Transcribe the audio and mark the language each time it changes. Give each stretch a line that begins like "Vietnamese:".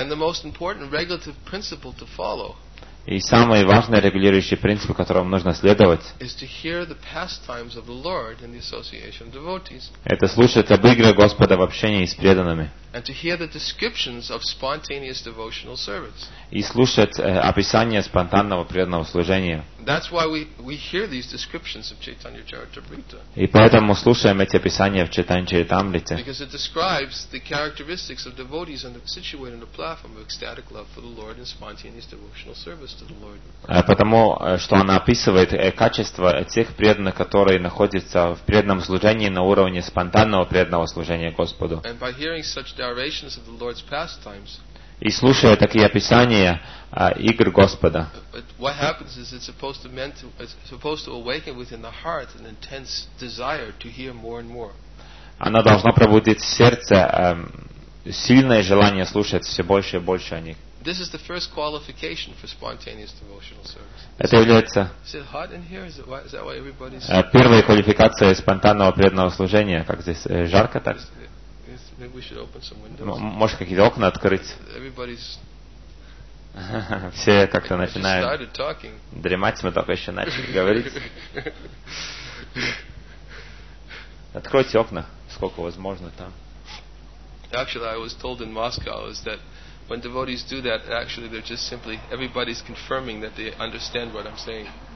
English: And the most important regulative principle to follow.
Russian: И самый важный регулирующий принцип, которому нужно следовать, это слушать об игре Господа в общении с преданными.
English: And to hear the descriptions of spontaneous devotional service.
Russian: И слушать описание спонтанного преданного служения.
English: That's why we hear these descriptions of Chaitanya Charitamrita.
Russian: И поэтому слушаем эти описания в Чайтанья Чаритамрите.
English: Because it describes the characteristics of devotees and situated on the platform of ecstatic love for the Lord and spontaneous devotional service to the Lord.
Russian: Потому что она описывает качества тех преданных, которые находятся в преданном служении на уровне спонтанного преданного служения Господу.
English: And by hearing such narrations of the Lord's pastimes.
Russian: И слушая такие описания игр Господа.
English: What happens is it's supposed to awaken within the heart an intense desire to hear more and more.
Russian: Оно должно пробудить в сердце сильное желание слушать все больше и больше о них.
English: This is the first qualification for spontaneous devotional service.
Russian: Это является.
English: Is it hot in here? Is that why everybody's?
Russian: Первая квалификация спонтанного преданного служения, как здесь жарко так?
English: Maybe we should open some windows.
Russian: Может какие-то окна открыть?
English: Everybody's.
Russian: Все как-то начинают дремать, мы только еще начали говорить. Откройте окна, сколько возможно там.
English: Actually, I was told in Moscow is that. When devotees do that, actually, they're just simply everybody's confirming that they understand what I'm saying.